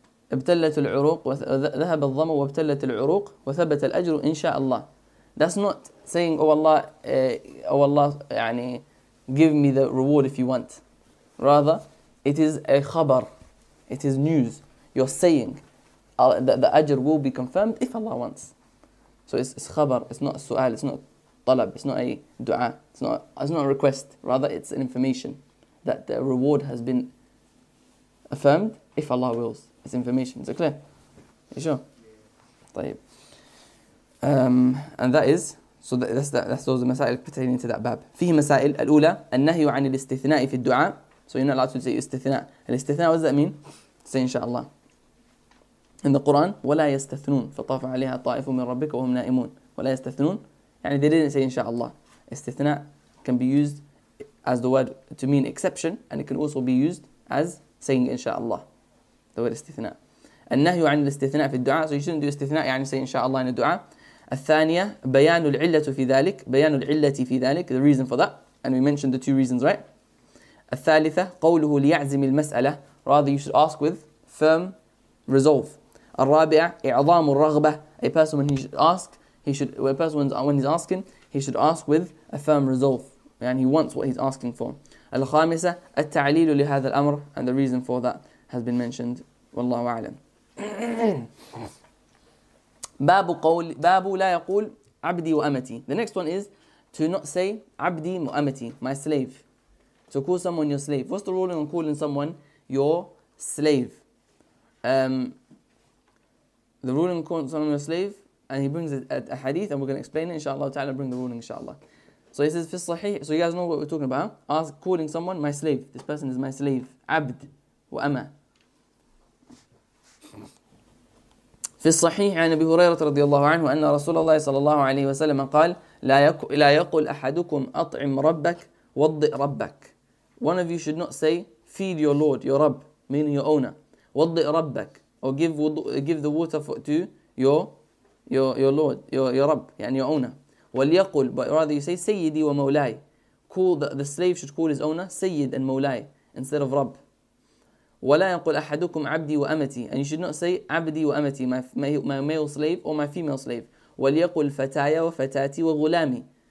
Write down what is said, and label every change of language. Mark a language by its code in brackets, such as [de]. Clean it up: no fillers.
[ar] ابتلت العروق وذهب الظمأ وابتلت العروق وثبت الأجر إن شاء الله. [en] That's not saying, oh Allah, يعني, give me the reward if you want. Rather, it is a khabar. It is news. You're saying that the ajr will be confirmed if Allah wants. So it's khabar. It's not a su'al. It's not talab. It's not a dua. It's not a request. Rather, it's an information that the reward has been affirmed if Allah wills. It's information. Is it clear? Are you sure? طيب. And that is, so that's those masail pertaining to that bab. [ar] فيه مسائل الأولى النهي عن الاستثناء في الدعاء. [en] So you're not allowed to say [ar] استثناء. الاستثناء, [en] what does that mean? Say inshallah. [ar] In the Quran, وَلَا يَسْتَثْنُونَ فَطَافَ عَلَيْهَا طَائِفٌ مِّن رَبِّكَ وَهُمْ نَائِمُونَ وَلَا يَسْتَثْنُونَ [en] يعني they didn't say inshallah. استثناء can be used as the word to mean exception, and it can also be used as saying inshallah. The word استثناء. [ar] النهي عن الاستثناء في الدعاء. [en] So you shouldn't do استثناء, يعني say inshallah in a dua. [ar] الثانية بيان العلة في ذلك. بيان العلة في ذلك, [en] the reason for that. And we mentioned the two reasons, right? [ar] الثالثة قوله ليعزم المسألة. [en] Rather, you should ask with firm resolve. [ar] الرابعة إعظام الرغبة. [en] A person when he should ask, when he's asking, he should ask with a firm resolve. And he wants what he's asking for. الخامسة التعليل لهذا الأمر. And the reason for that has been mentioned. [ar] والله أعلم. باب قول باب لا يقول عبدي وأمتي. [en] The next one is to not say [ar] عبدي وأمتي, [en] my slave. To call someone your slave. What's the rule on calling someone your slave? The ruling on someone your slave, and he brings a hadith, and we're going to explain it, inshallah ta'ala, bring the ruling, inshallah. So he says, [ar] في الصحيح, [en] so you guys know what we're talking about, huh? Ask, calling someone my slave. This person is my slave. [ar] عبد وأما. في الصحيح عن أبي هريرة رضي الله عنه أن رسول الله صلى الله عليه وسلم قال لا يقول أحدكم أطعم ربك وضئ ربك. [en] One of you should not say, feed your Lord, your Rabb, meaning your owner. [ar] وضئ ربك, [en] or give the water to your Lord, your Rabb, يعني your owner. وليقل, but rather you say, [ar] سيدي ومولاي. [en] The slave should call his owner, سيد and مولاي, instead of Rabb. [ar] ولا يقول أحدكم عبدي وأمتي. [en] And you should not say, [ar] عبدي وأمتي, [en] my male slave or my female slave. [ar] وليقل فتايا وفتاتي وغلامي.